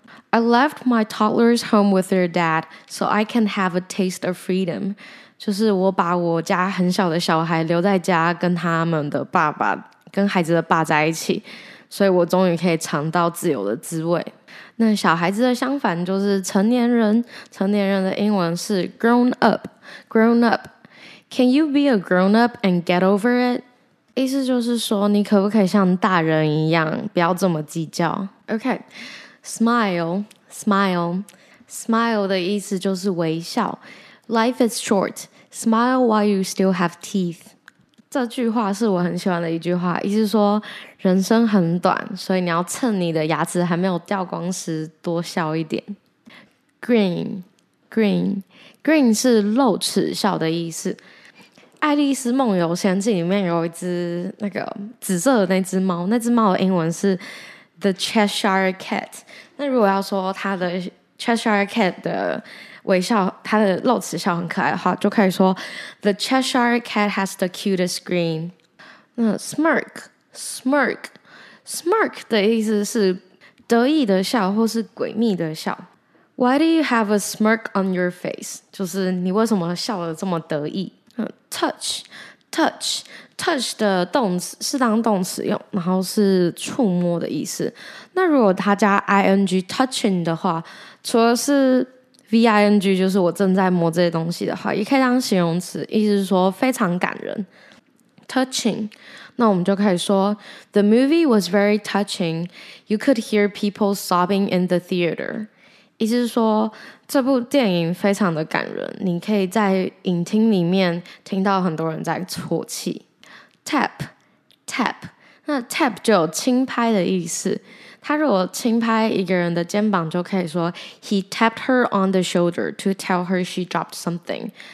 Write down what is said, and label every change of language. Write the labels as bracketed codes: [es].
[en] I left my toddler's home with their dad so I can have a taste of freedom. [zh] 就是我把我家很小的小孩留在家跟他们的爸爸跟孩子的爸在一起，所以我终于可以尝到自由的滋味。那小孩子的相反就是成年人，成年人的英文是 grown up, grown up. [en] Can you be a grown up and get over it? [zh] 意思就是说你可不可以像大人一样不要这么计较。 OK, smile, smile. Smile 的意思就是微笑。 [en] Life is short, smile while you still have teeth. [zh] 这句话是我很喜欢的一句话，意思说人生很短，所以你要趁你的牙齿还没有掉光时多笑一点。 Green, Green, Green 是露齿笑的意思。爱丽丝梦游仙境里面有一只那个紫色的那只猫，那只猫的英文是 The Cheshire Cat。那如果要说它的 Cheshire Cat 的微笑，它的露齿笑很可爱的话，就可以说 [en] The Cheshire Cat has the cutest grin. [zh] 那 smirk, smirk, smirk 的意思是得意的笑或是诡秘的笑。 Why do you have a smirk on your face? 就是你为什么笑得这么得意。 Touch, touch, touch 的动词是当动词用，然后是触摸的意思。那如果它加 ing touching 的话，除了是V-I-N-G 就是我正在摸这些东西的话，也可以当形容词，意思是说非常感人。 [en] Touching, [zh] 那我们就可以说 [en] The movie was very touching. You could hear people sobbing in the theater. [zh] 意思是说这部电影非常的感人，你可以在影厅里面听到很多人在啜泣。 Tap, tap, 那 tap 就有轻拍的意思，他如果轻拍一个人的肩膀就可以说 [en] He tapped her on the shoulder to tell her she dropped something.